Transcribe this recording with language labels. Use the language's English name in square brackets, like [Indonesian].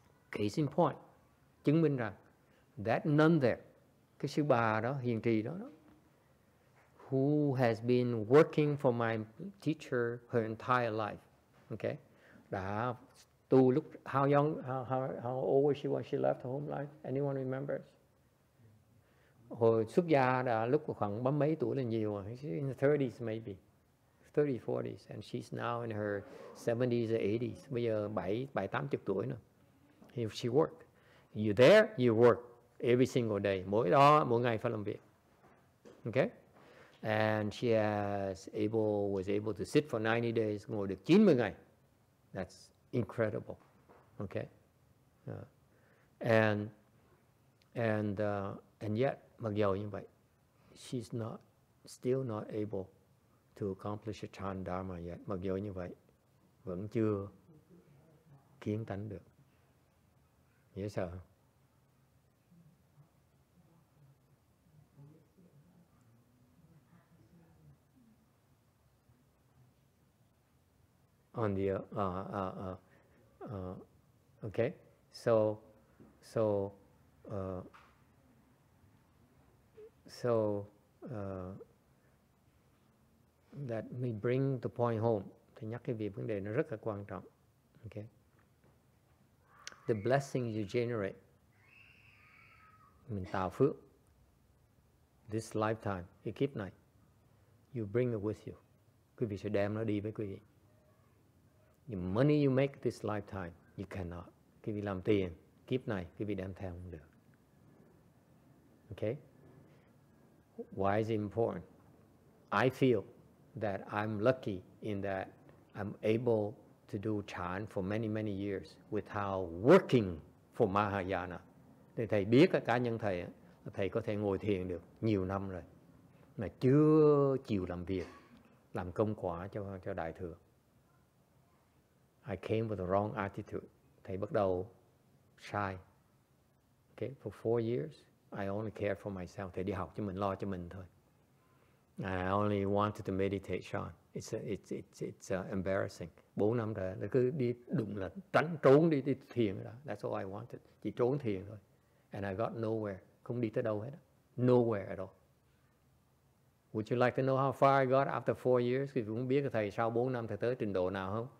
[English] Case in point, [Vietnamese] chứng minh rằng [English] that nun there, [Vietnamese] cái sư bà đó, hiền trì đó, [English] who has been working for my teacher her entire life, okay, [Vietnamese] đã tu lúc [English] how old was she when she left home life? Anyone remembers? [Vietnamese] Hồi xuất gia đã lúc khoảng bấm mấy tuổi là nhiều rồi. [English] She's in the 30s maybe. 30s, 40s. And she's now in her 70s or 80s. [Vietnamese] Bây giờ 70-80 tuổi nữa. [English] If she work. You there, you work. Every single day. [Vietnamese] Mỗi đó, mỗi ngày phải làm việc. [English] Okay? And she has able was able to sit for 90 days. That's incredible. Okay? And yet, Magyal invite, she's not, still not able to accomplish a Chan Dharma yet. [Vietnamese] Magyal invite, vẫn chưa kiến tánh được. Dễ sợ không? [English] On the, okay, so, let me bring the point home. [Vietnamese] Thì nhắc cái việc vấn đề nó rất là quan trọng. [English] Okay. The blessing you generate, [Vietnamese] mình tạo phước, [English] this lifetime, [Vietnamese] cái kiếp này, [English] you bring it with you. [Vietnamese] Quý vị sẽ đem nó đi với quý vị. [English] The money you make this lifetime, you cannot. [Vietnamese] Quý vị làm tiền, kiếp này, quý vị đem theo không được. [English] Okay? Why is it important? I feel that I'm lucky in that I'm able to do Chan for many, many years without working for Mahayana. [Vietnamese] Thì thầy biết cá nhân thầy, thầy có thể ngồi thiền được nhiều năm rồi, mà chưa chịu làm việc, làm công quả cho Đại Thừa. [English] I came with the wrong attitude. [Vietnamese] Thầy bắt đầu sai. [English] Okay, for 4 years, I only cared for myself. [Vietnamese] Thầy đi học cho mình, lo cho mình thôi. [English] I only wanted to meditate, Sean. It's embarrassing. [Vietnamese] 4 năm rồi, nó cứ đi đụng là tránh trốn đi, đi thiền đó. [English] That's all I wanted. [Vietnamese] Chỉ trốn thiền thôi. [English] And I got nowhere. [Vietnamese] Không đi tới đâu hết. [English] Nowhere at all. Would you like to know how far I got after 4 years? [Vietnamese] Quý vị muốn biết thầy sau 4 năm thầy tới trình độ nào không?